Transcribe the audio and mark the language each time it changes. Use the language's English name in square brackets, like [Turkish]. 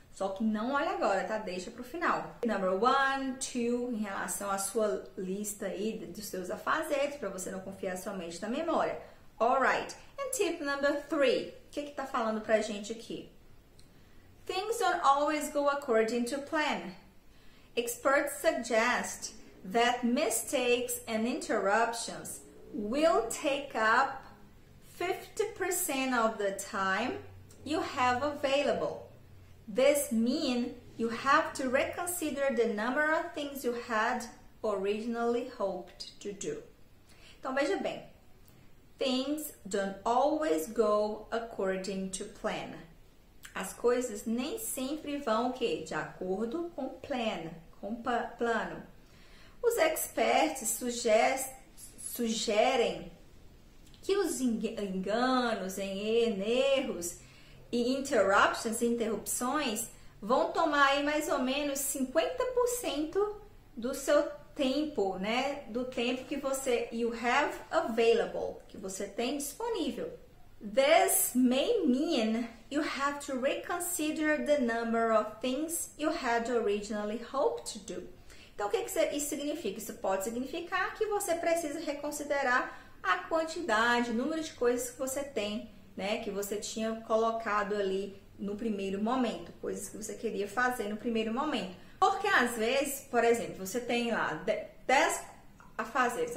[Portuguese] Só que não olha agora, tá? Deixa pro final. [English] Number one, two, [Portuguese] em relação à sua lista aí dos seus afazeres, pra você não confiar somente na memória. [English] Alright. And tip number three. [Portuguese] O que que tá falando pra gente aqui? [English] Things don't always go according to plan. Experts suggest that mistakes and interruptions will take up 50% of the time you have available. This means you have to reconsider the number of things you had originally hoped to do. [Portuguese] Então veja bem, [English] things don't always go according to plan. [Portuguese] As coisas nem sempre vão o quê? De acordo com plan, com plano. Os experts sugerem que os enganos em erros e interrupções vão tomar aí mais ou menos 50% do seu tempo, né? Do tempo que você [English] you have available, [Portuguese] que você tem disponível. [English] This may mean you have to reconsider the number of things you had originally hoped to do. [Portuguese] Então, o que isso significa? Isso pode significar que você precisa reconsiderar a quantidade, o número de coisas que você tem, né? Que você tinha colocado ali no primeiro momento, coisas que você queria fazer no primeiro momento. Porque, às vezes, por exemplo, você tem lá 10 afazeres.